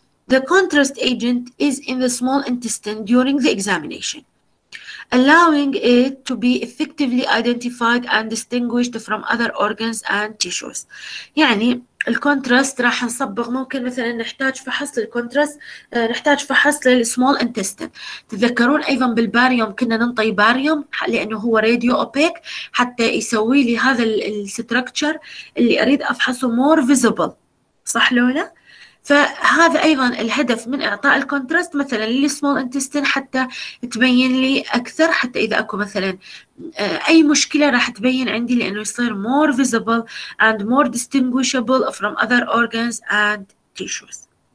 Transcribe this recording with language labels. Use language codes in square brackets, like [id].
[en] The contrast agent as in the small intestine during the examination. allowing it to be effectively identified and distinguished from other organs and tissues. [ar] يعني الكونتراست راح نصبغ، ممكن مثلا نحتاج فحص للكونتراست، نحتاج فحص للسمول انتستين. تذكرون ايضا بالباريوم كنا ننطي باريوم لانه هو راديو اوبيك حتى يسوي لي هذا الستركتشر اللي اريد افحصه مور فيزيبل، صح لولا؟ فهذا ايضا الهدف من اعطاء الكونتراست مثلا للسمول انتستين حتى تبين لي اكثر، حتى اذا اكو مثلا اي مشكله راح تبين عندي لانه يصير [en] more visible and more distinguishable from other organs and tissues.